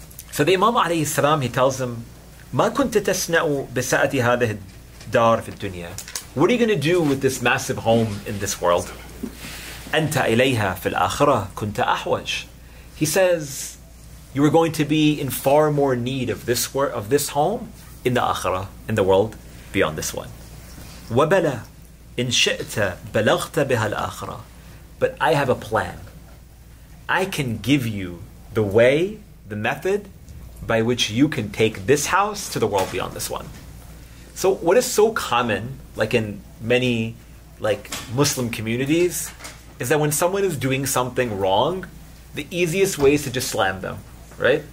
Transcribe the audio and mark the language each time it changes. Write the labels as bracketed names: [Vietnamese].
[English] So the Imam alayhi salam, he tells him, [Arabic] ما كنت تصنع بسعه هذه الدار في الدنيا. [English] What are you going to do with this massive home in this world? [Arabic] أنت إليها في الآخرة كنت أحوج. [English] He says, you are going to be in far more need of this home in the akhirah, in the world beyond this one. [Arabic] وبلى إن شئت بلغت بها الآخرة. [English] But I have a plan. I can give you the way, the method, by which you can take this house to the world beyond this one. So what is so common, like in many like Muslim communities, is that when someone is doing something wrong, the easiest way is to just slam them, right?